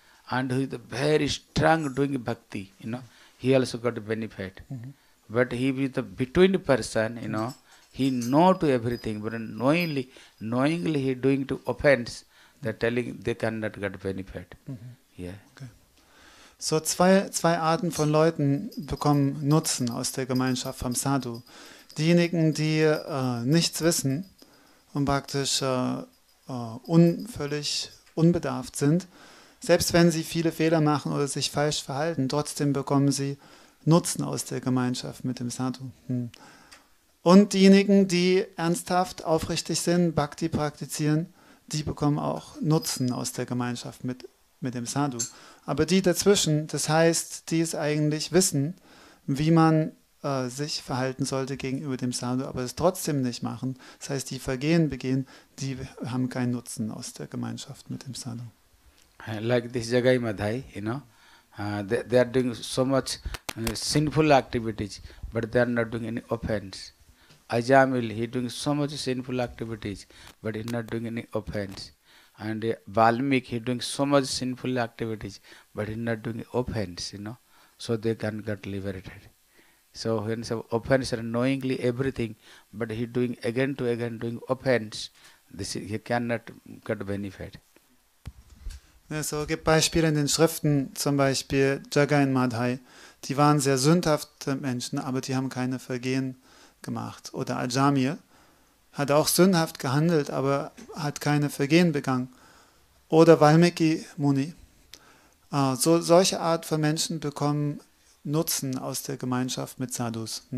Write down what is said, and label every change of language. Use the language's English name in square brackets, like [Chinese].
[English] And who is the very strong doing bhakti, you know, he also got benefit. Mm-hmm. But he is the between person, you know, he know to everything, but knowingly he doing to offense, they are telling they cannot get benefit. Mm-hmm. Yeah. Okay. [German] So zwei Arten von Leuten bekommen Nutzen aus der Gemeinschaft vom Sadhu. Diejenigen, die nichts wissen und praktisch völlig unbedarft sind, selbst wenn sie viele Fehler machen oder sich falsch verhalten, trotzdem bekommen sie Nutzen aus der Gemeinschaft mit dem Sadhu. Hm. Und diejenigen, die ernsthaft, aufrichtig sind, Bhakti praktizieren, die bekommen auch Nutzen aus der Gemeinschaft mit dem Sadhu. Aber die dazwischen, das heißt, die es eigentlich wissen, wie man sich verhalten sollte gegenüber dem Sadhu, aber es trotzdem nicht machen, das heißt, die Vergehen begehen, die haben keinen Nutzen aus der Gemeinschaft mit dem Sadhu. [English] Like this Jagai Madhai, you know, they are doing so much sinful activities, but they are not doing any offense. Ajamil, he doing so much sinful activities, but he not doing any offense. And Valmiki, he doing so much sinful activities, but he not doing offense, you know, so they can get liberated. So when some offense are knowingly everything, but he doing again doing offense, this is, he cannot get benefit. [German] Ja, so gibt Beispiele in den Schriften, zum Beispiel Jagai und Madhai, die waren sehr sündhafte Menschen, aber die haben keine Vergehen gemacht. Oder Ajamil hat auch sündhaft gehandelt, aber hat keine Vergehen begangen. Oder Valmiki Muni. Solche Art von Menschen bekommen Nutzen aus der Gemeinschaft mit Sadhus.